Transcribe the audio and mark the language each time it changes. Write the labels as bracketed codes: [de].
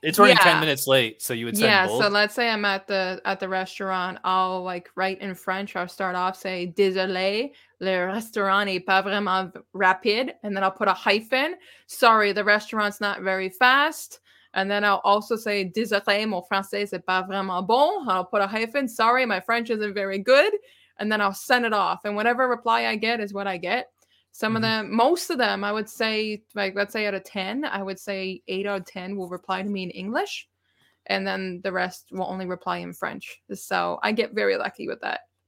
[en] it's running 10 minutes late, so you would send both? Yeah, so let's say I'm at the restaurant. I'll, like, write in French. I'll start off, say, [fr] désolé, le restaurant est pas vraiment rapide. [en] And then I'll put a hyphen. Sorry, the restaurant's not very fast. And then I'll also say, [fr] désolé, mon français c'est pas vraiment bon. [en] I'll put a hyphen. Sorry, my French isn't very good. And then I'll send it off. And whatever reply I get is what I get. Most of them, I would say, like, let's say out of 10, I would say 8 out of 10 will reply to me in English. And then the rest will only reply in French. So I get very lucky with that.